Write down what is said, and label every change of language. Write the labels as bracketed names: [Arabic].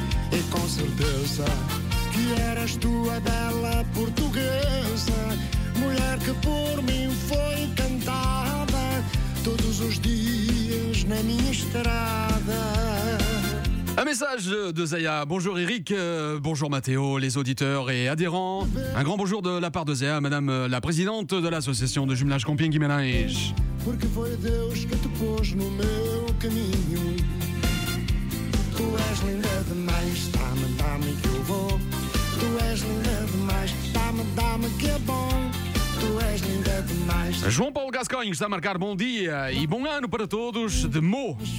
[Portuguese] E com certeza que eras tu a bela portuguesa, mulher que por mim foi cantada todos os dias na minha estrada. A mensagem de Zaya. [French] Bonjour Eric, bonjour Matteo, les auditeurs et adhérents. Un grand bonjour de la part de Zaya, madame la présidente de l'association de jumelage Compiègne-Guimarães. [Portuguese] Porque foi Deus que te pôs no meu caminho. Tu és linda demais, dá-me, dá-me que eu vou. Tu és linda demais, dá-me, dá-me que é bom. Tu és linda demais. João Paulo Gascoigne está a marcar bom dia e bom ano para todos de Mo.